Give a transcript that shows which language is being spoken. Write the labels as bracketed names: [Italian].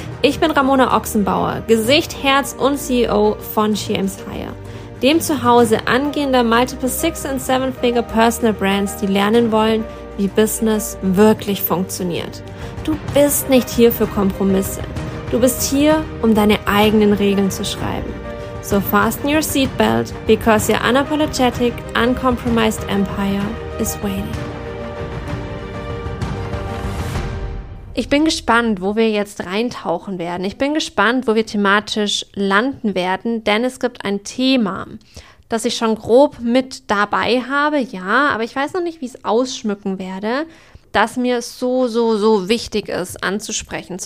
[German] Ich bin Ramona Ochsenbauer, Gesicht, Herz und CEO von Shames Higher. Dem Zuhause angehender Multiple Six- und Seven-Figure Personal Brands, die lernen wollen, wie Business wirklich funktioniert. Du bist nicht hier für Kompromisse. Du bist hier, um deine eigenen Regeln zu schreiben. [English] So fasten your seatbelt, because your unapologetic, uncompromised empire is waiting. [German] Ich bin gespannt, wo wir jetzt reintauchen werden. Ich bin gespannt, wo wir thematisch landen werden, denn es gibt ein Thema, das ich schon grob mit dabei habe, ja, aber ich weiß noch nicht, wie ich es ausschmücken werde, das mir so wichtig ist anzusprechen.